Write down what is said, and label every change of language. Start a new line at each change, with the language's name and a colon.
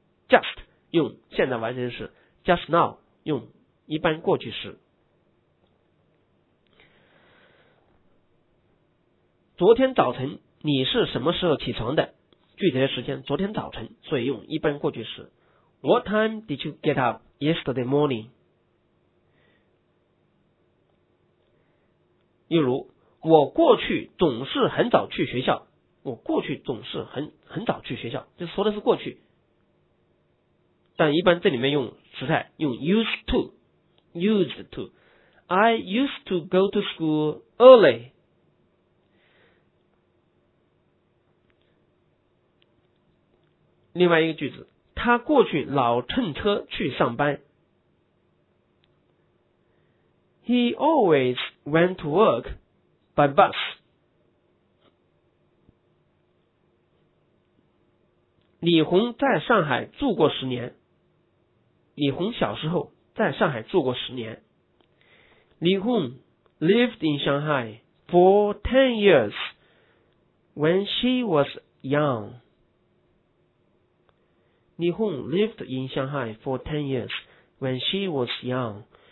Chinese: just 用现在完成时， just now 用一般过去时。昨天早晨你是什么时候起床的？具体的时间昨天早晨，所以用一般过去时。
English: What time did you get up yesterday morning?
Chinese: 例如，我过去总是很早去学校，我过去总是很早去学校，就说的是过去，但一般这里面用时态，用 used to。
English: I used to go to school early。
Chinese: 另外一个句子，他过去老乘车去上班。
English: He always went to work by bus。
Chinese: 李红在上海住过十年。李红小时候在上海住过十年。
English: 李红 lived in Shanghai for 10 years when she was young。李红 lived in Shanghai for 10 years when she was young。